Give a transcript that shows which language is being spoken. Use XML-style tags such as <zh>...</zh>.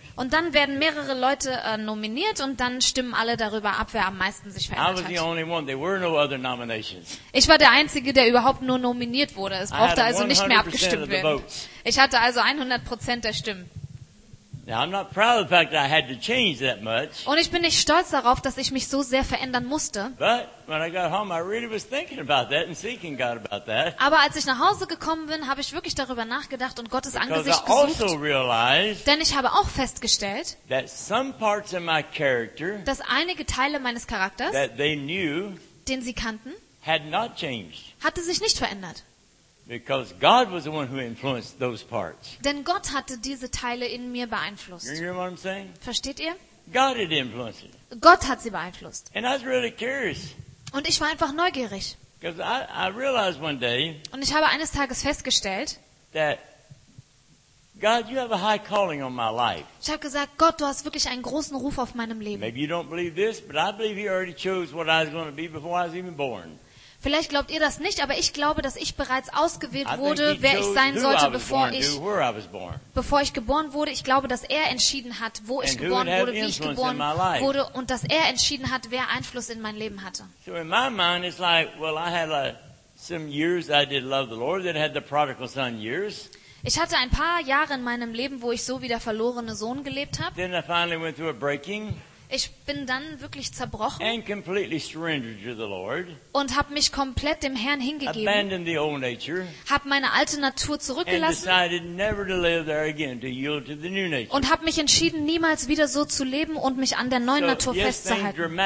<de>Und dann werden mehrere Leute nominiert und dann stimmen alle darüber ab, wer am meisten sich verändert hat. Ich war der Einzige, der überhaupt nur nominiert wurde. Es brauchte also nicht mehr abgestimmt werden. Ich hatte also 100% der Stimmen.</de> <en>Now I'm not proud of the fact that I had to change that much.</en> <de>Und ich bin nicht stolz darauf, dass ich mich so sehr verändern musste.</de> <en>But when I got home, I really was thinking about that and seeking God about that.</en> <de>Aber als ich nach Hause gekommen bin, habe ich wirklich darüber nachgedacht und Gottes Angesicht gesucht.</de> <en>Because I also realized,</en> <de>denn ich habe auch festgestellt,</de> <en>that some parts of my character,</en> <de>dass einige Teile meines Charakters,</de> <en>that they knew,</en> <de>den sie kannten,</de> <en>had not changed.</en> <de>Hatte sich nicht verändert.</de> <en>Because God was the one who influenced those parts.</en> <de>Denn Gott hatte diese Teile in mir beeinflusst.</de> <en>You hear what I'm saying?</en> <de>Versteht ihr?</de> <en>God had influenced it.</en> <de>Gott hat sie beeinflusst.</de> <en>And I was really curious.</en> <de>Und ich war einfach neugierig.</de> <en>Because I realized one day,</en> <de>und ich habe eines Tages festgestellt,</de> <en>that God, you have a high calling on my life.</en> <de>Ich habe gesagt, Gott, du hast wirklich einen großen Ruf auf meinem Leben.</de> <en>Maybe you don't believe this, but I believe you already chose what I was going to be before I was even born.</en> <de>Vielleicht glaubt ihr das nicht, aber ich glaube, dass ich bereits ausgewählt wurde, wer ich sein sollte, bevor ich geboren wurde. Ich glaube, dass er entschieden hat, wo ich geboren wurde, wie ich geboren wurde und dass er entschieden hat, wer Einfluss in mein Leben hatte.</de> <en>So in my mind it's like, well, I had some years I did love the Lord, then had the prodigal son years.</en> <de>Ich hatte ein paar Jahre in meinem Leben, wo ich so wie der verlorene Sohn gelebt habe.</de> <en>Then I finally went through a breaking.</en> <de>Ich bin dann wirklich zerbrochen</de> <en>and completely surrendered to the Lord,</en> <de>und habe mich komplett dem Herrn hingegeben,</de> <en>abandoned the old nature,</en> <de>habe meine alte Natur zurückgelassen und habe mich entschieden, niemals wieder so zu leben und mich an der neuen Natur festzuhalten.</de>